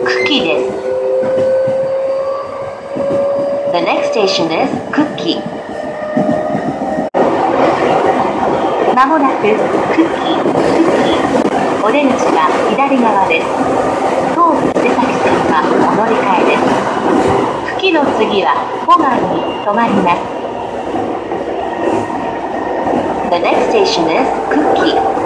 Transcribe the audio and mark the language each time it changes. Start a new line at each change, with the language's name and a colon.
English: The next station is 久喜。
Japanese: まもなく久喜、久喜、お出口は左側です。東武伊勢崎線はお乗り換えです。久喜の次は古賀に止まります。
English: The next station is 久喜。